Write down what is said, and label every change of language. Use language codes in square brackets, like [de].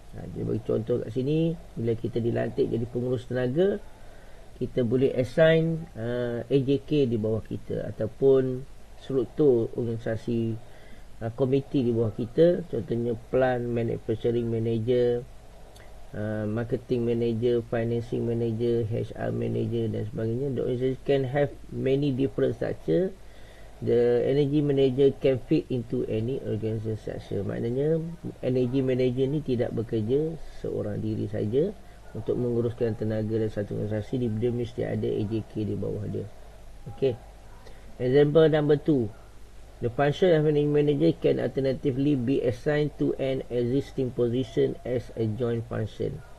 [ms] Jadi bagi contoh kat sini, bila kita dilantik jadi pengurus tenaga, kita boleh assign AJK di bawah kita ataupun struktur organisasi, komiti di bawah kita, contohnya plan manufacturing manager, marketing manager, financing manager, HR manager dan sebagainya. [en] The organisation can have many different structure. The energy manager can fit into any organization structure. [ms] Maknanya energy manager ni tidak bekerja seorang diri saja untuk menguruskan tenaga dan satu organisasi, dia mesti ada AJK di bawah dia. [en] Okay. Example number 2. The function of energy manager can alternatively be assigned to an existing position as a joint function.